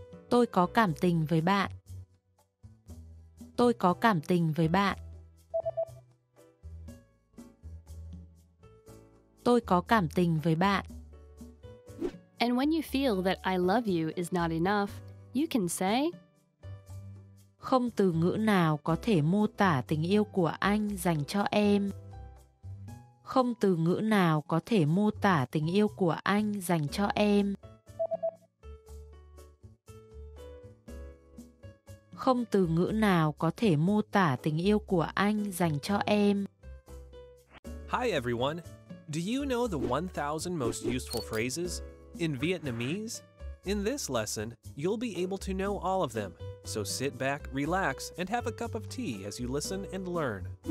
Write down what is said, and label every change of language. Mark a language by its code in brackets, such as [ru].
[vi] Tôi có cảm tình với bạn. Tôi có cảm tình với bạn. Tôi có cảm tình với bạn. [en] And when you feel that I love you is not enough, you can say [vi] Không từ ngữ nào có thể mô tả tình yêu của anh dành cho em. Không từ ngữ nào có thể mô tả tình yêu của anh dành cho em. Không từ ngữ nào có thể mô tả tình yêu của anh dành cho em. [en] Hi everyone! Do you know the 1,000 most useful phrases in Vietnamese? In this lesson, you'll be able to know all of them. So sit back, relax, and have a cup of tea as you listen and learn.